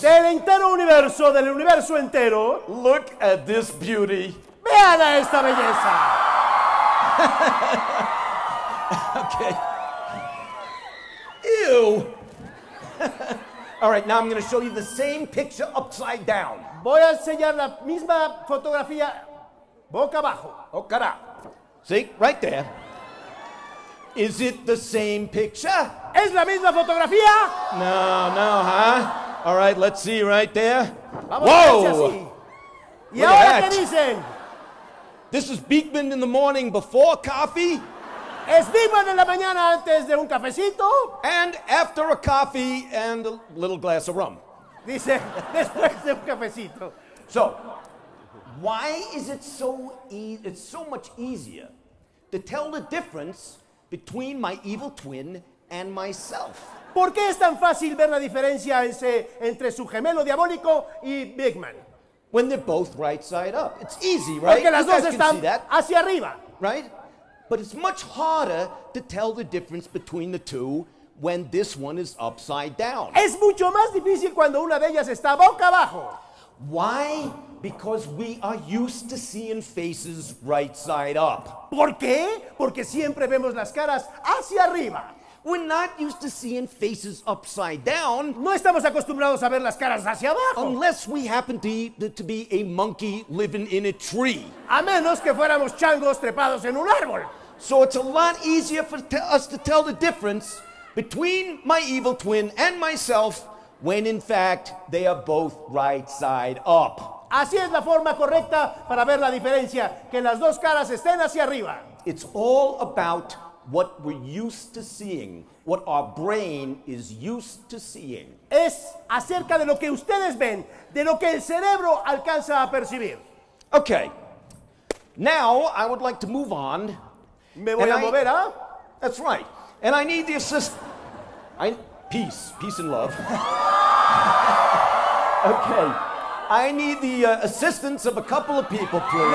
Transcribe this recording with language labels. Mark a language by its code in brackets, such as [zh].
[es] Del entero universo, del universo entero. [en] Look at this beauty. [es] Vean a esta belleza. [en] Okay. Ew. All right, now I'm going to show you the same picture upside down. [es] Voy a enseñar la misma fotografía boca abajo. [en] Oh, cara. See, right there. Is it the same picture? [es] ¿Es la misma fotografía? [en] No, no, huh? All right, let's see right there. [es] Vamos. Whoa! ¿Y ahora qué dicen? [en] This is Beakman in the morning before coffee. [es] Es Beakman en la mañana antes de un cafecito. [en] And after a coffee and a little glass of rum. [es] Dice, después de un cafecito. [en] So, why is it so easy, it's so much easier to tell the difference between my evil twin and myself? [es] ¿Por qué es tan fácil ver la diferencia entre su gemelo diabólico y Beakman? [en] When they're both right side up. It's easy, right? [es] Porque las dos están hacia arriba. [en] Right? But it's much harder to tell the difference between the two when this one is upside down. [es] Es mucho más difícil cuando una de ellas está boca abajo. [en] Why? Because we are used to seeing faces right side up. [es] ¿Por qué? Porque siempre vemos las caras hacia arriba. [en] We're not used to seeing faces upside down. [es] No estamos acostumbrados a ver las caras hacia abajo. [en] Unless we happen to be a monkey living in a tree. [es] A menos que fuéramos changos trepados en un árbol. [en] So it's a lot easier for us to tell the difference between my evil twin and myself when in fact they are both right side up. [es] Así es la forma correcta para ver la diferencia, que las dos caras estén hacia arriba. [en] It's all about what we're used to seeing, what our brain is used to seeing. [es] Es acerca de lo que ustedes ven, de lo que el cerebro alcanza a percibir. [en] Okay, now I would like to move on. [es] Me voy a mover, ¿ah? [en] That's right. And I need the assist... Peace and love. Okay. I need the assistance of a couple of people, please.